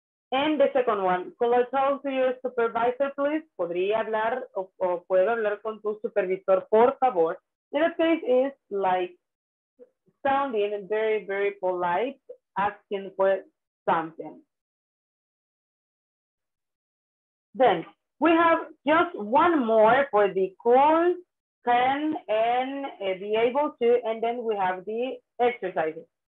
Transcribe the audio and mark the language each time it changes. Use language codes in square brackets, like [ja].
[en] And the second one, could I talk to your supervisor, please? [es] ¿Podría hablar o puedo hablar con tu supervisor, por favor? [en] In this case, it's like sounding very, very polite, asking for something. Then, we have just one more for the could, can, and be able to, and then we have the exercises.